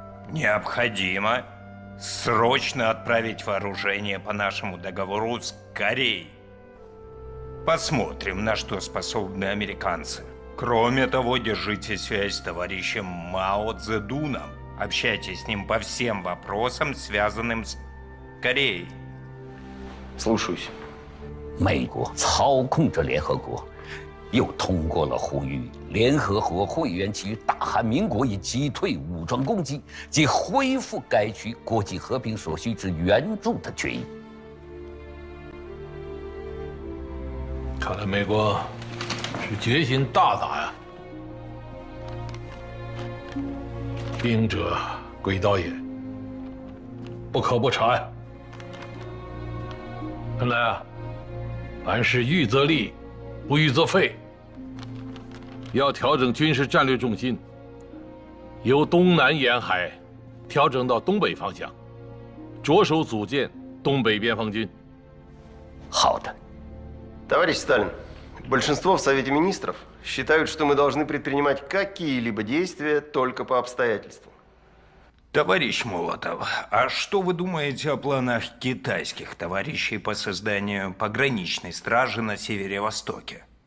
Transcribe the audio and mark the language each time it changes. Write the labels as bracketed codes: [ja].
[ru] Необходимо срочно отправить вооружение по нашему договору с Кореей. Посмотрим, на что способны американцы. Кроме того, держите связь с товарищем Мао Цзэдуном. Общайтесь с ним по всем вопросам, связанным с Кореей. Слушаюсь. [zh] 美国操控着联合国，又通过了呼吁联合国会员及大韩民国以击退武装攻击及恢复该区国际和平所需之援助的决议。看来美国是决心大打呀。兵者诡道也，不可不察呀。看来啊，凡事预则立，不预则废。要调整军事战略重心，由东南沿海调整到东北方向，着手组建东北边防军。好的。 [ru] Товарищ Сталин, большинство в Совете министров считают, что мы должны предпринимать какие-либо действия только по обстоятельствам. Товарищ Молотов, а что вы думаете о планах китайских товарищей по созданию пограничной стражи на Северо-Востоке?